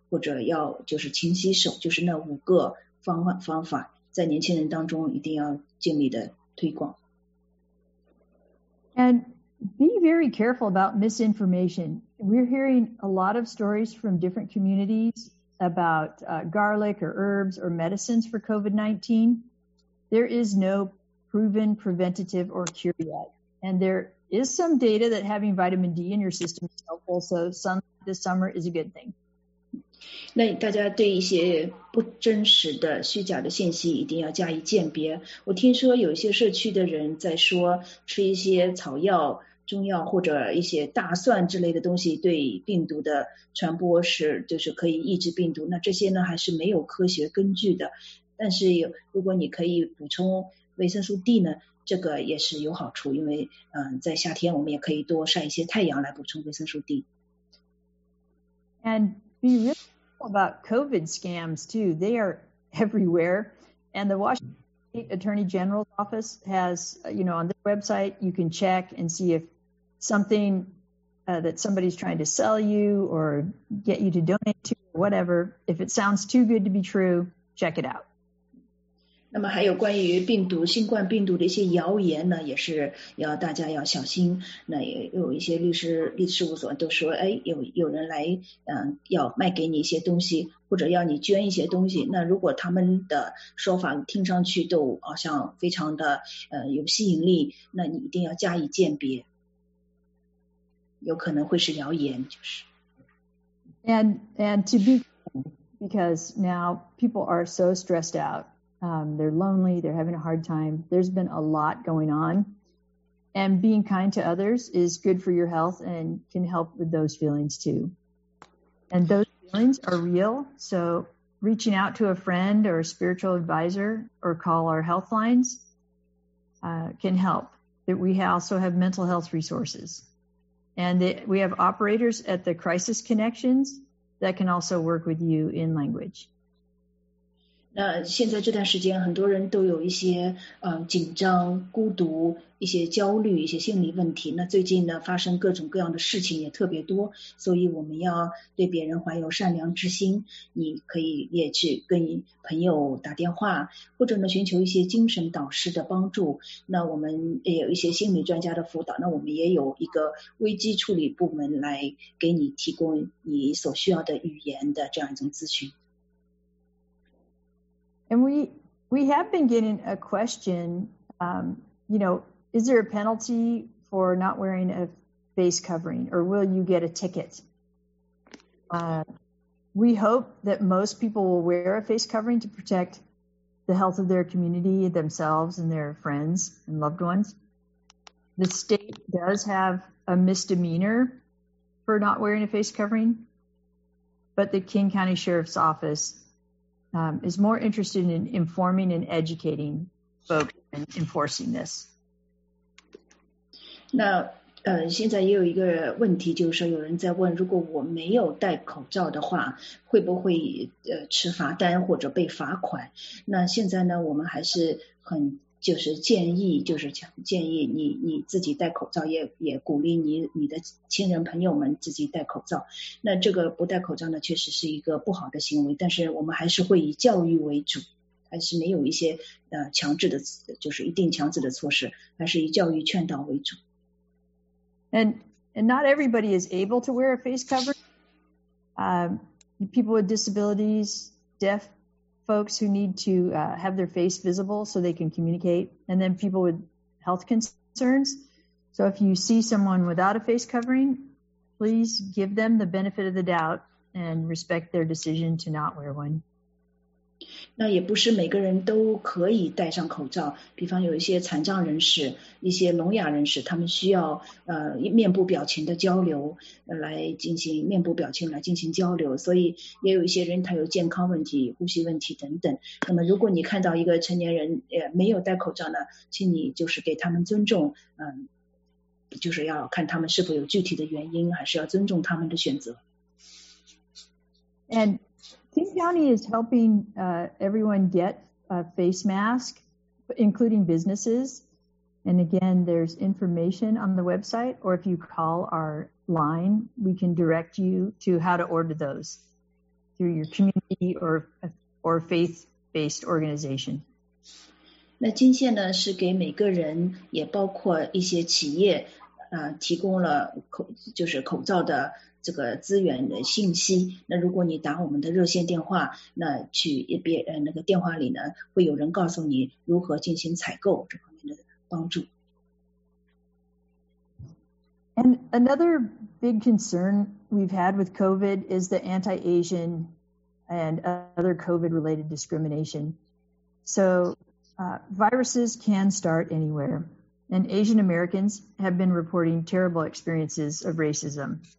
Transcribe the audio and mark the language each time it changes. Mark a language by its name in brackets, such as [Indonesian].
[Chinese] 或者要就是勤洗手，就是那五个方法在年轻人当中一定要尽力的推广。 [English] And be very careful about misinformation. We're hearing a lot of stories from different communities about garlic or herbs or medicines for COVID-19. There is no proven preventative or cure yet. And there is some data that having vitamin D in your system is helpful, so this summer is a good thing. [Chinese] 那大家对一些不真实的虚假的信息一定要加以鉴别。我听说有一些社区的人在说吃一些草药、中药或者一些大蒜之类的东西对病毒的传播是就是可以抑制病毒，那这些呢还是没有科学根据的。但是如果你可以补充维生素 D 呢，这个也是有好处，因为在夏天我们也可以多晒一些太阳来补充维生素 D。 [English] andBe really careful about COVID scams, too. They are everywhere. And the Washington State Attorney General's office has, you know, on their website, you can check and see if something that somebody's trying to sell you or get you to donate to, or whatever, if it sounds too good to be true, check it out. [Chinese] 那么还有关于病毒新冠病毒的一些谣言呢，也是要大家要小心。那也有一些律师事务所都说，哎，有人来要卖给你一些东西，或者要你捐一些东西。那如果他们的说法听上去都好像非常的有吸引力，那你一定要加以鉴别，有可能会是谣言，就是。 [English] And to be because now people are so stressed out. They're lonely, they're having a hard time. There's been a lot going on. And being kind to others is good for your health and can help with those feelings too. And those feelings are real. So reaching out to a friend or a spiritual advisor or call our health lines can help. That we also have mental health resources. And we have operators at the Crisis Connections that can also work with you in language. [Chinese] 那现在这段时间很多人都有一些紧张、孤独、一些焦虑、一些心理问题，那最近呢发生各种各样的事情也特别多，所以我们要对别人怀有善良之心。你可以也去跟朋友打电话，或者呢寻求一些精神导师的帮助，那我们也有一些心理专家的辅导，那我们也有一个危机处理部门来给你提供你所需要的语言的这样一种咨询。 [English] And we have been getting a question, is there a penalty for not wearing a face covering or will you get a ticket? We hope that most people will wear a face covering to protect the health of their community, themselves, and their friends and loved ones. The state does have a misdemeanor for not wearing a face covering, but the King County Sheriff's Office is more interested in informing and educating folks and enforcing this. [Chinese] Now, 现在也有一个问题，就是说有人在问，如果我没有戴口罩的话，会不会吃罚单或者被罚款？那现在呢，我们还是很就是建议，就是建议你自己戴口罩，也鼓励你的亲人朋友们自己戴口罩。那这个不戴口罩呢，确实是一个不好的行为，但是我们还是会以教育为主。还是没有一些强制的，就是一定强制的措施，还是以教育劝导为主。 [English] And not everybody is able to wear a face covering. People with disabilities, deaf folks who need to have their face visible so they can communicate, and then people with health concerns. So if you see someone without a face covering, please give them the benefit of the doubt and respect their decision to not wear one. [Chinese] 那也不是每个人都可以戴上口罩，比方有一些残障人士，一些聋哑人士，他们需要面部表情的交流，来进行面部表情来进行交流，所以也有一些人他有健康问题，呼吸问题等等。那么如果你看到一个成年人没有戴口罩呢，请你就是给他们尊重，就是要看他们是否有具体的原因，还是要尊重他们的选择。 [English] And... King County is helping everyone get a face mask, including businesses. And again, there's information on the website, or if you call our line, we can direct you to how to order those through your community or faith-based organization. [Chinese] 那金县呢，是给每个人，也包括一些企业，提供了口罩的这个资源的信息，那如果你打我们的热线电话，那去那个电话里呢，会有人告诉你如何进行采购这方面的帮助。 [English] And another big concern we've had with COVID is the anti-Asian and other COVID-related discrimination. So, viruses can start anywhere, and Asian Americans have been reporting terrible experiences of racism.